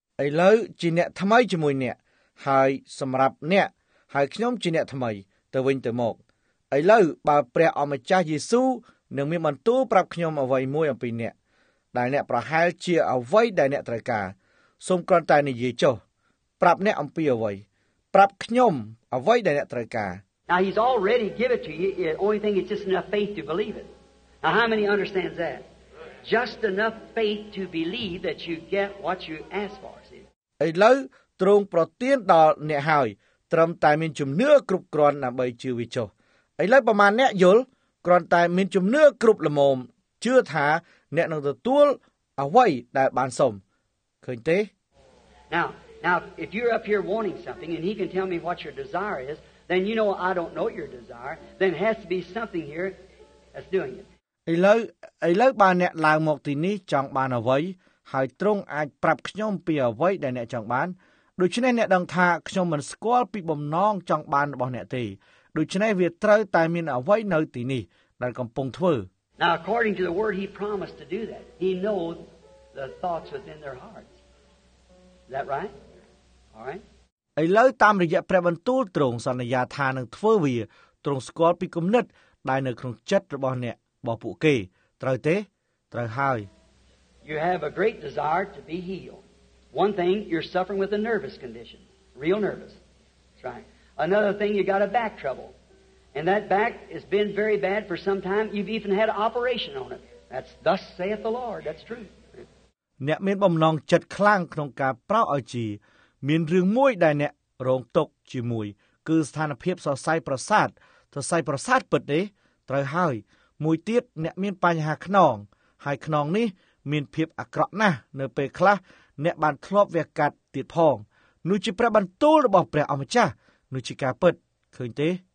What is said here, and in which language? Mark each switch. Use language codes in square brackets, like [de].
[km] ឥឡូវជាអ្នកថ្មីជាមួយអ្នកហើយសម្រាប់អ្នកហើយខ្ញុំជាអ្នកថ្មីទៅវិញទៅមកឥឡូវបើព្រះអម្ចាស់យេស៊ូវនឹងមានបន្ទូលប្រាប់ខ្ញុំអ្វីមួយអំពីអ្នកដែលអ្នកប្រហែលជាអ្វីដែលអ្នកត្រូវការសូមគ្រាន់តែនិយាយចុះប្រាប់អ្នកអំពីអ្វីប្រាប់ខ្ញុំអ្វីដែលអ្នកត្រូវការ [en] Now he's already given it to you. The only thing is just enough faith to believe it. Now, how many understands that? Just enough faith to believe that you get what you ask for. [km] ឥឡូវទ្រង់ប្រទានដល់អ្នកហើយត្រឹមតែមានជំនឿគ្រប់គ្រាន់ដើម្បីជឿវាចុះឥឡូវប្រមាណអ្នកយល់គ្រាន់តែមានជំនឿគ្រប់ល្មមជឿថាអ្នកនឹងទទួលអ្វីដែលបានសុំឃើញទេ [en] Now if you're up here wanting something and he can tell me what your desire is then you know I don't know your desire then it has to be something here that's doing it [km] ឥឡូវបានអ្នកឡើងមកទីនេះចង់បានអ្វីហើយត្រង់អាចប្រាប់ខ្ញុំពីអ្វីដែលអ្នកចង់បានដូច្នេះអ្នកដឹងថាខ្ញុំមិនស្គាល់ពីបំណងចង់បានរបស់អ្នកទេដូច្នេះវាត្រូវតែមានអ្វីនៅទីនេះដែលកំពុងធ្វើ [en] Now according to the word he promised to do that he knows the thoughts within their hearts Is that right All right [km] ឥឡូវតាមរយៈព្រះបន្ទូលត្រង់សន្យាថានឹងធ្វើវាត្រង់ស្គាល់ពីគំនិតដែលនៅក្នុងចិត្តរបស់អ្នកបងពួកគេត្រូវទេត្រូវហើយ [en] You have a great desire to be healed. One thing, you're suffering with a nervous condition. Real nervous. That's right. Another thing, you got a back trouble. And that back has been very bad for some time. You've even had an operation on it. That's thus saith the Lord. That's true. [km] អ្នកមានបំណងចិត្តខ្លាំងក្នុងការប្រោសឲ្យជាមានរឿងមួយដែលអ្នករងទុកជាមួយគឺស្ថានភាពសរសៃប្រសាទសរសៃប្រសាទពិតទេត្រូវហើយមួយទៀតអ្នកមានបញ្ហាខ្នងហើយខ្នងនេះមានភាពអាក្រក់ណាស់នៅពេលខ្លះអ្នកបានធ្លាប់វាកាត់ទៀតផងនោះជាព្រះបន្ទូលរបស់ព្រះអម្ចាស់នោះជាការពិតឃើញទេ